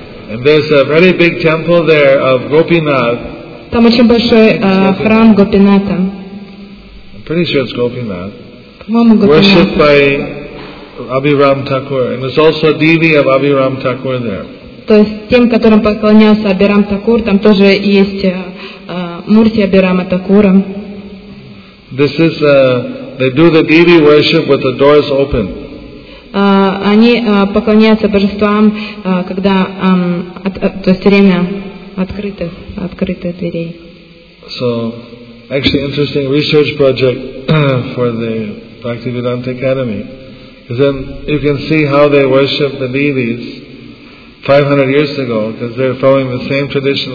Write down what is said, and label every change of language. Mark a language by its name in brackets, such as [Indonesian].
[English] And there's a very big temple there of Gopinath. [Russian] Там очень большой храм Гопинатха. [English] I'm pretty sure it's Gopinath. [Russian] По-моему, Гопинатха. [English] Worshipped by Abhiram Thakur, and there's also a devi of Abhiram Thakur there. [Russian] То есть тем, которым поклонялся Абирам Такур, там тоже есть мурти Абирама Такура. [English] This is they do the devi worship with the doors open. [Russian] Они поклоняются божествам, когда то есть время открытых дверей. [English] So, actually, interesting research project for the Bhaktivedanta Academy. Because then you can see how they worship the devis 500 years ago, because they're following the same tradition.